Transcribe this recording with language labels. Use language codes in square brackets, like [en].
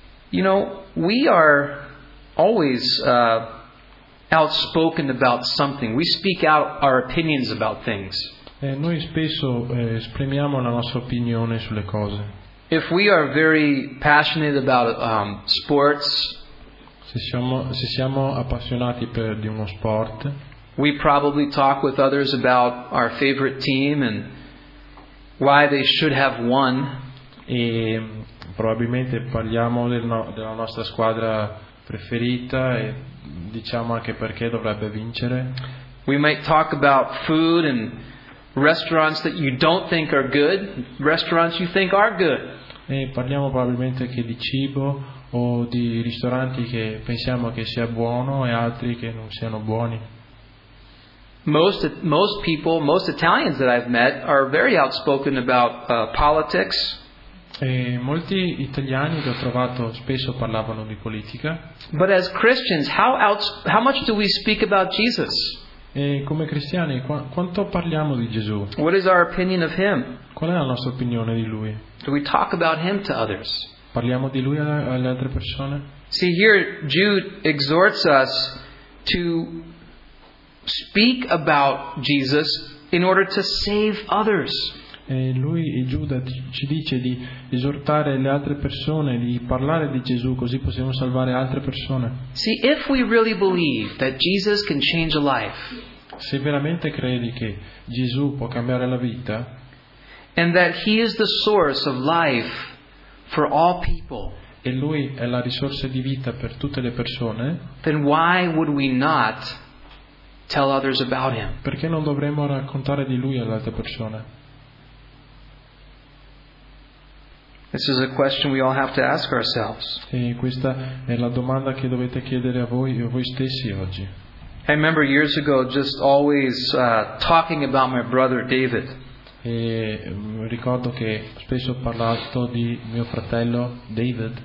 [en] You know, we are always outspoken about something. We speak out our opinions about things. [it] Noi spesso esprimiamo la nostra opinione sulle cose. [en] If we are very passionate about sports, [it] se siamo appassionati di uno sport, [en] we probably talk with others about our favorite team and why they should have won. [it] E probabilmente parliamo della nostra squadra preferita e diciamo anche perché dovrebbe vincere. [en] We might talk about food and restaurants that you don't think are good, restaurants you think are good. [it] E parliamo probabilmente anche di cibo o di ristoranti che pensiamo che sia buono e altri che non siano buoni. [en] Most Italians that I've met are very outspoken about politics. [it] E molti italiani che ho trovato spesso parlavano di politica. [en] But as Christians, how much do we speak about Jesus? [it] E come cristiani, quanto parliamo di Gesù? [en] What is our opinion of him? [it] Qual è la nostra opinione di lui? [en] Do we talk about him to others? [it] Parliamo di lui alle altre persone? [en] See, here Jude exhorts us to speak about Jesus in order to save others. [it] E lui, e Giuda, ci dice di esortare le altre persone, di parlare di Gesù, così possiamo salvare altre persone. [en] See, if we really believe that Jesus can change a life, [it] se veramente credi che Gesù può cambiare la vita, [en] and that he is the source of life for all people, [it] e lui è la risorsa di vita per tutte le persone, [en] then why would we not tell others about him? [it] Perché non dovremmo raccontare di lui alle altre persone? [en] This is a question we all have to ask ourselves. [it] E questa è la domanda che dovete chiedere a voi e a voi stessi oggi. [en] I remember years ago just always talking about my brother David. [it] E ricordo che spesso ho parlato di mio fratello David.